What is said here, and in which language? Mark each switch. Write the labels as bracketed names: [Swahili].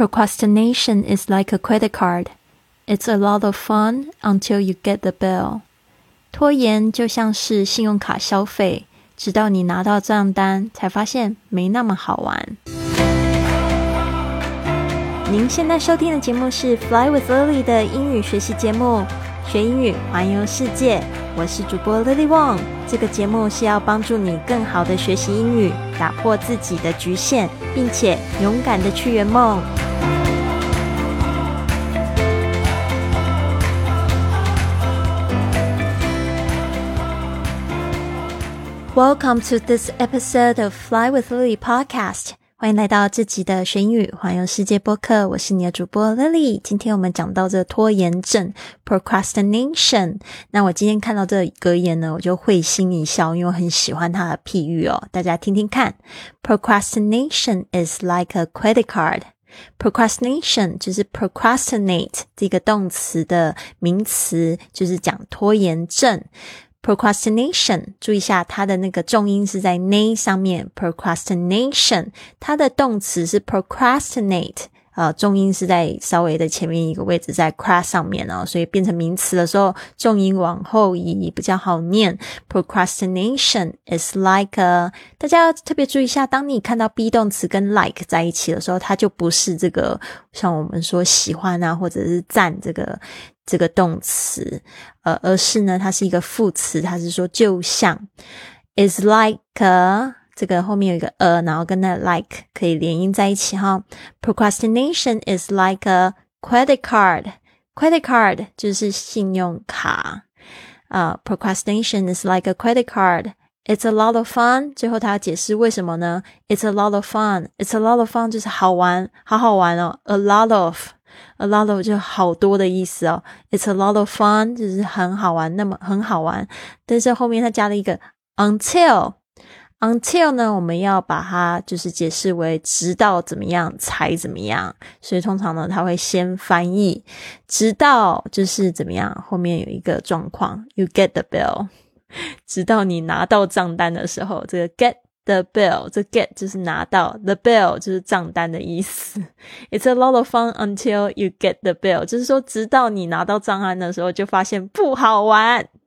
[English] Procrastination is like a credit card. It's a lot of fun until you get the bill. [Chinese] 拖延就像是信用卡消费，直到你拿到账单才发现没那么好玩。您现在收听的节目是 Fly with Lily 的英语学习节目，学英语环游世界。我是主播 Lily Wong。这个节目是要帮助你更好的学习英语，打破自己的局限，并且勇敢的去圆梦。 [English] Welcome to this episode of Fly with Lily podcast. [Chinese] 欢迎来到这集的学英语环游世界播客，我是你的主播 Lily。今天我们讲到这拖延症 Procrastination。那我今天看到这格言呢，我就会心一笑，因为我很喜欢它的譬喻哦，大家听听看。 [English] Procrastination is like a credit card. [Chinese] Procrastination 就是 procrastinate 这个动词的名词，就是讲拖延症。 Procrastination, 注意一下它的那个重音是在 na 上面， Procrastination, 它的动词是 procrastinate, 重音是在稍微的前面一个位置，在 cra 上面哦，所以变成名词的时候重音往后移比较好念。 [English] Procrastination is like a, [Chinese] 大家要特别注意一下，当你看到 be 动词跟 like 在一起的时候，它就不是这个像我们说喜欢啊或者是赞这个动词，而是呢它是一个副词，它是说就像。 [English] is like a, [Chinese] 这个后面有一个 a, 然后跟那 like 可以连音在一起齁。 [English] Procrastination is like a credit card. [Chinese] Credit card 就是信用卡。 [English] Procrastination is like a credit card. It's a lot of fun. [Chinese] 最后它要解释为什么呢？ [English] It's a lot of fun. It's a lot of fun [Chinese] 就是好玩，好好玩哦。 A lot of 就好多的意思哦。 [English] It's a lot of fun [Chinese] 就是很好玩，那么很好玩，但是后面它加了一个 Until 呢，我们要把它就是解释为直到怎么样才怎么样，所以通常呢它会先翻译直到就是怎么样，后面有一个状况 [English] You get the bill, [Chinese] 直到你拿到账单的时候，这个 getThe bill, 这 get 就是拿到， the bill 就是账单的意思。 [English] It's a lot of fun until you get the bill, [Chinese] 就是说直到你拿到账单的时候就发现不好玩。